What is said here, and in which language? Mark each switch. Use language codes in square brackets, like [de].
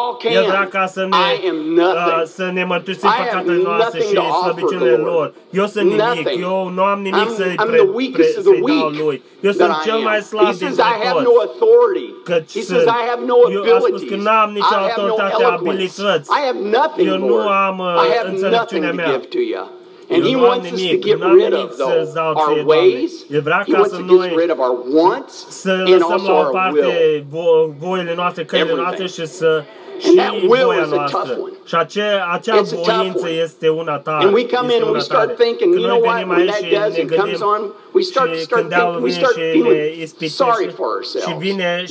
[ro] El vrea ca să ne mărturisim păcatele noastre și slăbiciunile lor. Eu sunt nimic, eu nu am nimic să-i dau Lui. Eu sunt cel mai slab dintre toți. Căci [en] he says, I have no abilities. [ro] Eu am spus că n-am nicio autoritate, abilități. [en] I have nothing, [ro] eu nu am înțelepciunea mea. [en] And he wants us to get rid of though, our ways. He wants to get rid of our wants and also our will. [ro] Voile noastre, căile noastre și să și voia noastră. Și acea voință este una tare. [en] And we come in and we start thinking, you know what? When that does and comes on, we start feeling sorry for ourselves.